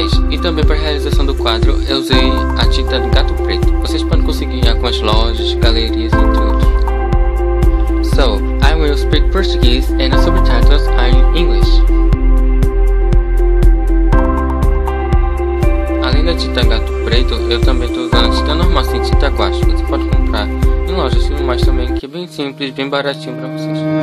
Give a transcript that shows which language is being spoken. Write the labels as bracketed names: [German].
[Portuguese] E também para a realização do quadro eu usei a tinta do gato preto. Vocês podem conseguir em algumas lojas, galerias, entre outros. [English] So, I will speak Portuguese and the subtitles are in English. [Portuguese] Além da tinta gato preto, eu também estou usando a tinta normal, assim, tinta guache. Você pode comprar em lojas, mas também que é bem simples, bem baratinho para vocês.